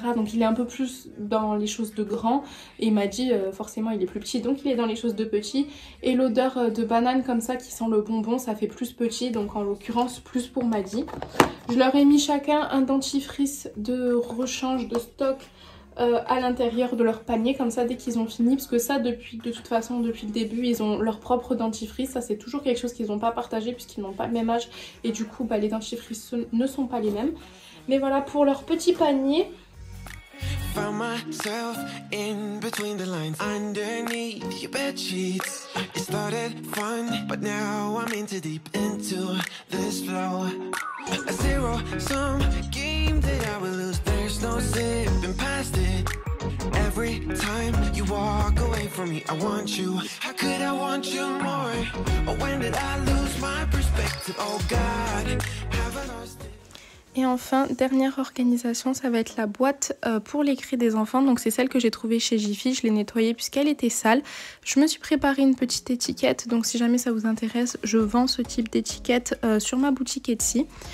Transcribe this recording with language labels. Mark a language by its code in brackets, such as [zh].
[fr] Donc il est un peu plus dans les choses de grand, et il m'a dit forcément il est plus petit, donc il est dans les choses de petit, et l'odeur de banane comme ça qui sent le bonbon, ça fait plus petit, donc en l'occurrence plus pour Maddy. Je leur ai mis chacun un dentifrice de rechange de stock à l'intérieur de leur panier, comme ça, dès qu'ils ont fini, parce que ça, depuis, de toute façon, depuis le début, ils ont leur propre dentifrice, ça c'est toujours quelque chose qu'ils n'ont pas partagé, puisqu'ils n'ont pas le même âge, et du coup, bah, les dentifrices ne sont pas les mêmes. Mais voilà, pour leur petit panier. [en] Found myself in between the lines, underneath your bed sheets. It started fun, but now I'm into deep into this flow. A zero sum game that I will lose. There's no sipping past it. Every time you walk away from me, I want you. How could I want you more? Or when did I lose my perspective? Oh God, have I lost it? [fr] Et enfin, dernière organisation, ça va être la boîte pour les cris des enfants. Donc c'est celle que j'ai trouvée chez Jiffy, je l'ai nettoyée puisqu'elle était sale. Je me suis préparé une petite étiquette, donc si jamais ça vous intéresse, je vends ce type d'étiquette sur ma boutique Etsy.